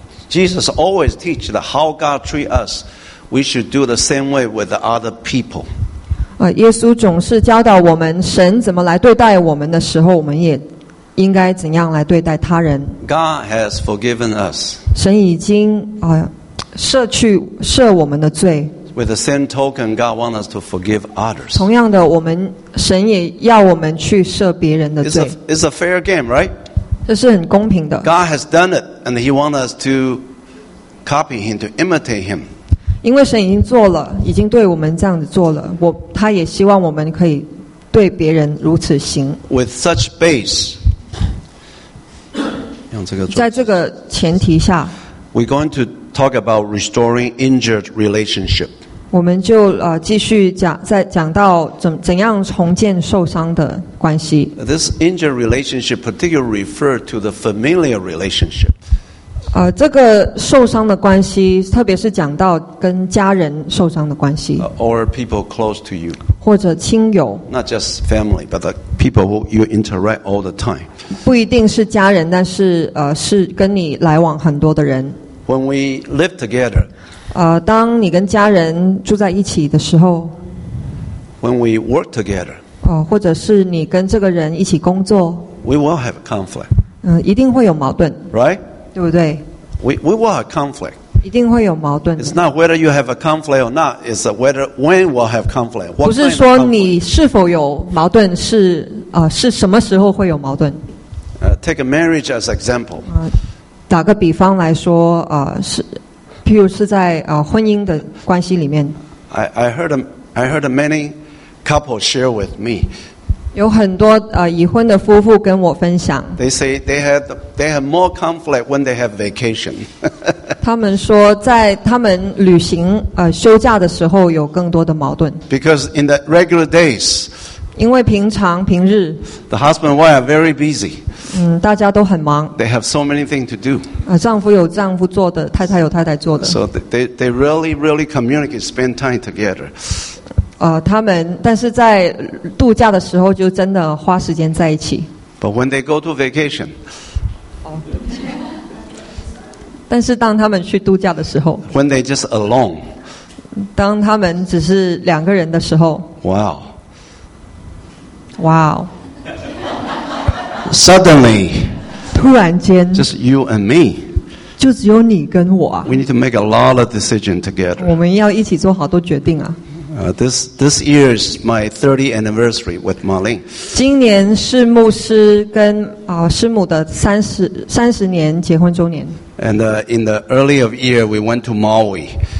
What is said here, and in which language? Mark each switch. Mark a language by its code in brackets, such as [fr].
[en] Jesus always teach that how God treats us, we should do the same way with the other people. [zh] 耶稣总是教导我们，神怎么来对待我们的时候，我们也应该怎样来对待他人。 [en] God has forgiven us. [zh] 神已经赦去赦我们的罪。 [en] With the same token, God wants us to forgive others. [zh] 同样的，我们神也要我们去赦别人的罪。 [en] It's a fair game, right? [zh] 这是很公平的。 [en] God has done it, and He wants us to copy Him, to imitate Him. [zh] 因为神已经做了，已经对我们这样子做了，他也希望我们可以对别人如此行。 [en] With such base, [zh] 在这个前提下 [en] ，we're going to talk about restoring injured relationship. [zh] 我们就继续讲，再讲到怎样重建受伤的关系。 [en] This injured relationship particularly referred to the familiar relationship. [zh] 这个受伤的关系，特别是讲到跟家人受伤的关系。 [en] Or people close to you. [zh] 或者亲友。 [en] Not just family, but the people who you interact all the time. [zh] 不一定是家人，但是是跟你来往很多的人。 [en] When we live together, [zh] 当你跟家人住在一起的时候 [en] ，when we work together, [zh] 或者是你跟这个人一起工作 [en] ，we will have conflict. [zh] 一定会有矛盾 [en] ，right? [zh] 对不对 [en] ？We will have conflict. [zh] 一定会有矛盾。 [en] It's not whether you have a conflict or not. It's whether when we'll have conflict. [zh] 不是说你是否有矛盾，是什么时候会有矛盾 [en] ？Take a marriage as example. [zh] 打个比方来说，譬如是在婚姻的关系里面。 [en] I heard many couples share with me. [zh] 有很多已婚的夫妇跟我分享。 [en] They say they have more conflict when they have vacation. [zh] 他们说在他们旅行休假的时候有更多的矛盾。 [en] Because in the regular days. [zh] 因为平日。 [en] The husband and wife are very busy. [zh] 大家都很忙。 [en] They have so many things to do. [zh] 丈夫有丈夫做的，太太有太太做的。 [en] So they really, really communicate, spend time together. [zh] 他们但是在度假的时候就真的花时间在一起。 [en] But when they go to vacation. [zh] 但是当他们去度假的时候。 [en] When they just alone. [zh] 当他们只是两个人的时候。 Wow. Wow. [en] Suddenly, [zh] 突然间 [en] just you and me, [zh] 就只有你跟我啊。 [en] We need to make a lot of decisions together. [zh] 我们要一起做好多决定啊。 [en] This year is my 30th anniversary with Marlene. [zh] 今年是牧师跟师母的三十年结婚周年。 [en] And in the early of year, we went to Maui.